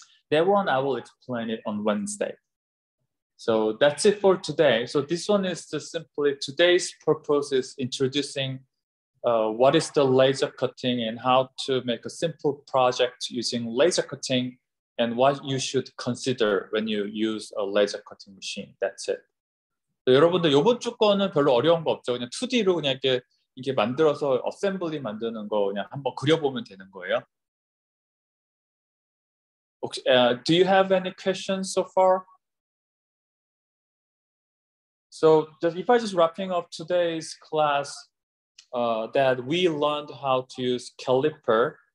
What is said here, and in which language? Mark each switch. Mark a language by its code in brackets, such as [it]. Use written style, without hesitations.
[en] That one I will explain it on Wednesday. So that's it for today. So this one is just simply today's purpose is introducing what is the laser cutting and how to make a simple project using laser cutting and what you should consider when you use a laser cutting machine. That's it. [ko] 여러분들 이번 주 거는 별로 어려운 거 없죠. 그냥 2D로 그냥 이렇게 만들어서 어셈블리 만드는 거 그냥 한번 그려보면 되는 거예요. 혹시, [en] do you have any questions so far? So if I just wrapping up today's class, that we learned how to use caliper.